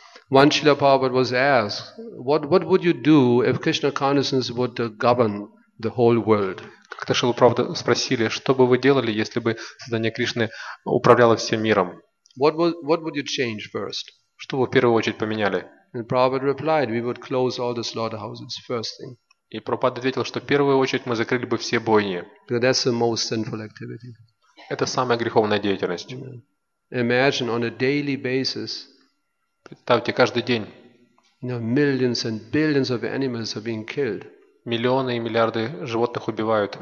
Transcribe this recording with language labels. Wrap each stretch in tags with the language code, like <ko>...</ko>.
<en>Once Srila Prabhupada was asked, what would you do if Krishna consciousness would govern the whole world?</en> <ru>Как-то Шрила Прабхупада спросили, что бы вы делали, если бы сознание Кришны управляло всем миром?</ru> <en>What would you change first?</en> <ru>Что бы в первую очередь поменяли?</ru> <en>And Prabhupada replied, we would close all the slaughterhouses first thing.</en> <ru>И Прабхупада ответил, что в первую очередь мы закрыли бы все бойни.</ru> <en>Because that's the most sinful activity.</en> <ru>Это самая греховная деятельность.</ru> <en>Yeah. Imagine on a daily basis.</en> <ru>Представьте каждый день.</ru> <en>You know, millions and billions of animals are being killed.</en> <ru>Миллионы и миллиарды животных убивают.</ru>